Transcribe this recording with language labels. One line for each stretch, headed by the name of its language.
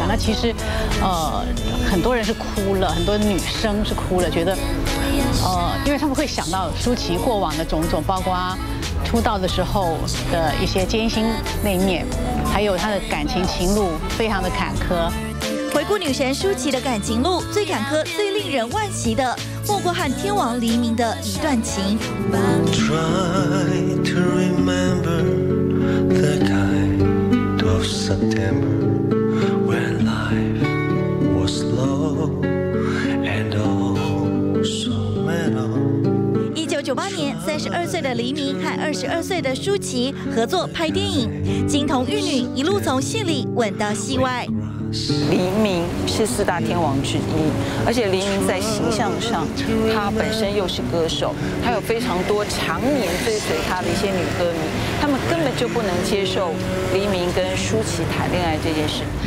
Chinese: 那其实很多人是哭了，很多女生是哭了，觉得因为他们会想到舒淇过往的种种，包括出道的时候的一些艰辛那一面，还有她的感情情路非常的坎坷。回顾女神舒淇的感情路，最坎坷、最令人惋惜的，莫过和天王黎明的一段情。
English: Try to remember the kind of September when life was low and also mellow。
Chinese: 1998年，32岁的黎明和22岁的舒淇合作拍电影《金童玉女》，一路从戏里吻到戏外。黎明是四大天王之一，而且黎明在形象上，他本身又是歌手，他有非常多常年追随他的一些女歌迷，他们根本就不能接受黎明跟舒淇谈恋爱这件事。